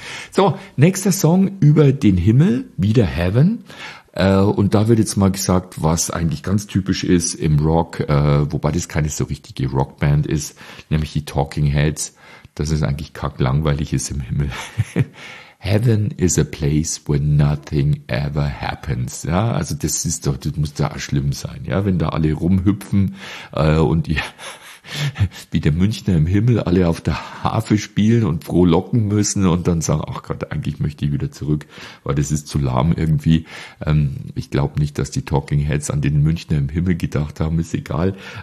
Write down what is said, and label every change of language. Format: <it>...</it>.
<de>So, nächster Song über den Himmel, wieder Heaven. Und da wird jetzt mal gesagt, was eigentlich ganz typisch ist im Rock, wobei das keine so richtige Rockband ist, nämlich die Talking Heads. Das ist eigentlich kacklangweilig ist im Himmel.</de> <en>Heaven is a place where nothing ever happens.</en> <de>Ja, also das ist doch, das muss da auch schlimm sein, ja, wenn da alle rumhüpfen und ihr wie der Münchner im Himmel alle auf der Harfe spielen und frohlocken müssen und dann sagen, ach Gott, eigentlich möchte ich wieder zurück, weil das ist zu lahm irgendwie. Ich glaube nicht, dass die Talking Heads an den Münchner im Himmel gedacht haben, ist egal.</de>